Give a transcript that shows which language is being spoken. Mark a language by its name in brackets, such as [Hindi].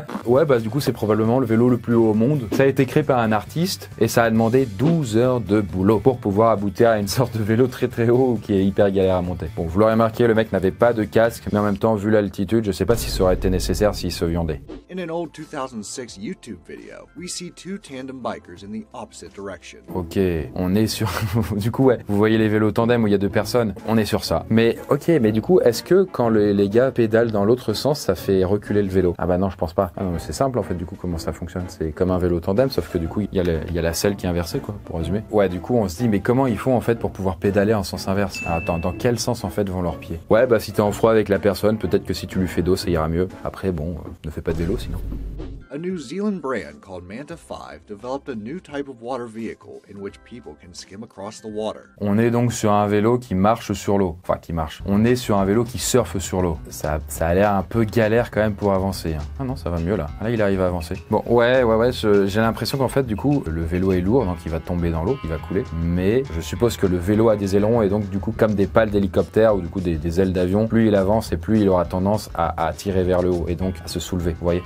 [French] Ouais, bah du coup, c'est probablement le vélo le plus haut au monde. Ça a été créé par un artiste et ça a demandé 12 heures de boulot pour pouvoir aboutir à une sorte de vélo très très haut qui est hyper galère à monter. Bon, vous l'aurez remarqué, le mec n'avait pas de casque, mais en même temps, vu l'altitude, je sais pas si ça aurait été nécessaire s'il se viandait. [English] In an old 2006 YouTube video, we see two tandem bikers in the opposite direction. [French] Ok, on est sur... du coup, ouais, vous voyez les vélos tandem où il y a deux personnes, on est sur ça. Mais ok, mais du coup, est-ce que quand les gars pédalent dans l'autre sens, ça fait reculer le vélo? Ah bah non, je pense pas. Ah non, mais c'est simple en fait, du coup, comment ça fonctionne? C'est comme un vélo tandem, sauf que du coup, il y a la selle qui est inversée, quoi, pour résumer. Ouais, du coup, on se dit, mais comment ils font en fait pour pouvoir pédaler en sens inverse? Ah, attends, dans quel sens en fait vont leurs pieds? Ouais, bah si t'es en froid avec la personne, peut-être que si tu lui fais dos, ça ira mieux. Après, bon, ne fais pas de vélo sinon. [English] A New Zealand brand called Manta 5 developed a new type of water vehicle in which people can skim across the water. [French] On est donc sur un vélo qui marche sur l'eau. Enfin, qui marche. On est sur un vélo qui surfe sur l'eau. Ça a l'air un peu galère quand même pour avancer. Ah non, ça va mieux là. Là, il arrive à avancer. Bon, ouais, j'ai l'impression qu'en fait, du coup, le vélo est lourd, donc il va tomber dans l'eau, il va couler. Mais je suppose que le vélo a des ailerons et donc, du coup, comme des pales d'hélicoptère ou du coup des ailes d'avion, plus il avance et plus il aura tendance à tirer vers le haut et donc à se soulever. Vous voyez?